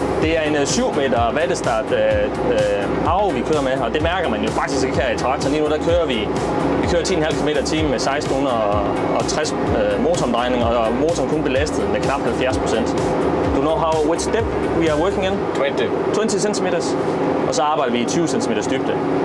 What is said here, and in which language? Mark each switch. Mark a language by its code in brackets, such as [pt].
[da] Det er en 7 meter wattestart arve, vi kører med, og det mærker man jo faktisk ikke her i traktoren. Lige nu der kører vi kører 10,5 km time med 1660 motoromdrejninger, og motoren kun belastet med knap 70%. [en] Do you know how which depth we are working in? 20. 20 cm. [da] Og så arbejder vi i 20 cm dybde.